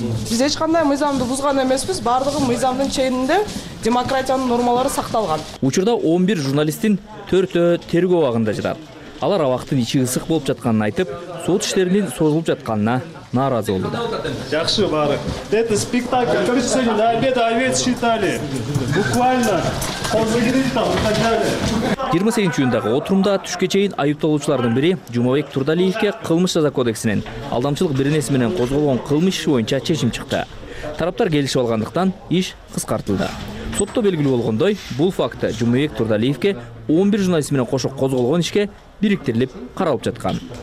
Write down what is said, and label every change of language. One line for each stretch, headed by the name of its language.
Kyrgyz: Биз эч кандай мыйзамды бузган эмеспиз, бардыгы мыйзамдын чегинде демократиянын нормалары сакталган. Учурда 11 журналисттин 4-ө тергөө багында жатат. Алар абактын ичи ысык болуп жатканын айтып, сот иштеринин созулуп жатканына нааразы болду. Жакшы баары.
Russian: Это спектакль, короче, сегодня на обед овец считали. Буквально.
Kyrgyz: Жыйырма сегизинчи июндагы отурумда түшкө чейин айыпталуучулардын бири Жумабек Турдалиевке кылмыш жаза кодексинин алдамчылык беренеси менен козголгон кылмыш иши боюнча чечим чыкты. Тараптар келишип алгандыктан иш кыскартылды. Сотто белгилүү болгондой, бул факты Жумабек Турдалиевке 11 журналист менен кошо козголгон ишке бириктирилип каралып жаткан.